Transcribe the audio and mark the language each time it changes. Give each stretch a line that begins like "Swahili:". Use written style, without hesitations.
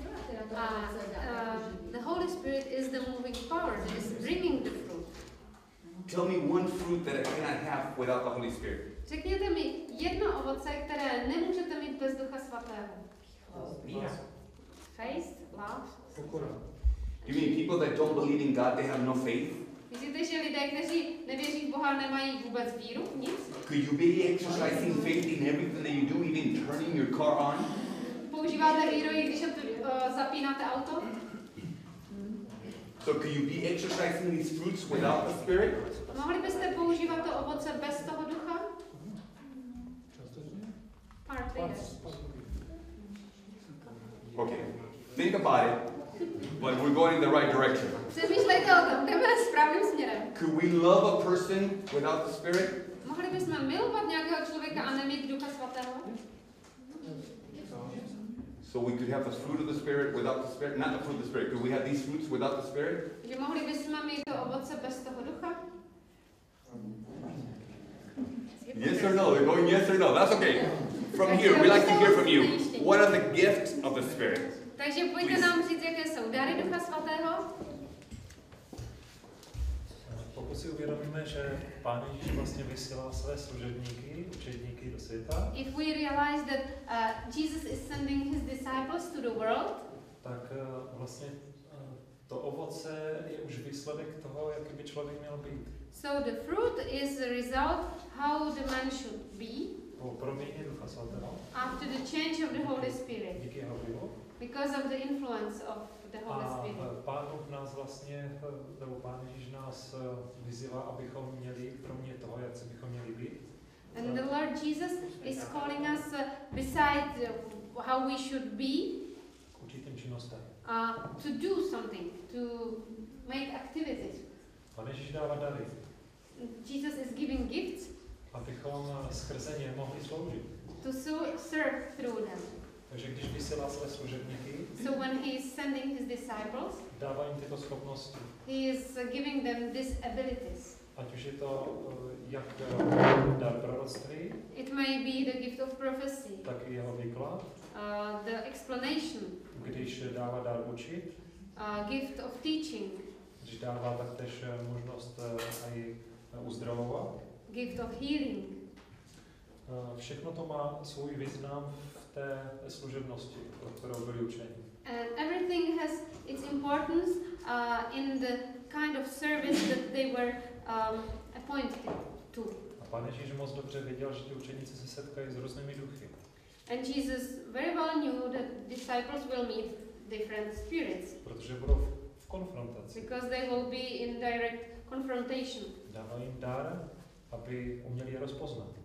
English: The Holy Spirit is the moving power, it is bringing the fruit. Tell me one fruit that I cannot have without the Holy Spirit.
Czech: Řekněte mi jedno ovoce, které nemůžete mít bez Ducha Svatého.
English: Faith, love. You mean people that don't believe in God, they have no faith?
Czech: Myslíte, že lidé, kteří nevěří v Boha, nemají vůbec víru? Nic?
English: Could you be exercising faith in everything that you do, even turning your car on?
Czech: Používáte víru, když zapínáte auto?
English: So could you be exercising these fruits without the Spirit?
Czech: Mohli byste používat to ovoce bez toho Ducha?
English: Okay, think about it, but we're going in the right direction.
Czech: Přemýšlejte o tom, jdeme správným směrem.
English: Could we love a person without the Spirit?
Czech: Mohli bysme milovat nějakého člověka a nemít Ducha Svatého?
English: So we could have the fruit of the Spirit without the Spirit, not the fruit of the Spirit. Could we have these fruits without the Spirit?
Czech: Že mohli bysme mít to ovoce bez toho Ducha?
English: Yes or no? We're going yes or no. That's okay. From here, we like to hear from you. What are the gifts of the Spirit?
Czech: Takže pojďte nám říct, jaké jsou dary Ducha Svatého. Pokud si uvědomíme, že Pán Ježíš vlastně vysílá své služebníky, učedníky do světa.
English: If we realize that Jesus is sending his disciples to the world,
Czech: tak vlastně to ovoce je už výsledek toho, jaký by člověk měl být.
English: So the fruit is the result how the man should be.
Czech: Po proměně Ducha Svatého.
English: After the change of the Holy Spirit.
Czech: Díky jeho vlivu.
English: Because of the influence of the Holy Spirit.
Czech: A Pán Bůh nás vlastně, nebo Pán Ježíš nás vyzývá, abychom měli kromě toho, jak se bychom měli být.
English: And the Lord Jesus is calling us beside how we should be.
Czech: K určitým činnostem.
English: To do something, to make activities.
Czech: Pán Ježíš dává dary.
English: Jesus is giving gifts.
Czech: Abychom skrze ně mohli sloužit.
English: To serve through them.
Czech: Takže když vysílá své služebníky,
English: so when he is sending his disciples,
Czech: dává jim tyto schopnosti.
English: He is giving them these abilities.
Czech: Ať už je to jak dar proroctví,
English: it may be the gift of prophecy,
Czech: tak i jeho výklad,
English: the explanation,
Czech: když dává dar učit,
English: gift of teaching,
Czech: když dává taktéž možnost aj uzdravovat,
English: gift of healing.
Czech: Všechno to má svůj význam té služebnosti, pro kterou byli učeni.
English: And everything has its importance in the kind of service that they were appointed to.
Czech: A Pán Ježíš moc dobře věděl, že ty učeníci se setkají s různými duchy.
English: And Jesus very well knew that disciples will meet different spirits.
Czech: Protože budou v konfrontaci.
English: Because they will be in direct confrontation.
Czech: Dával jim dar, aby uměli je rozpoznat.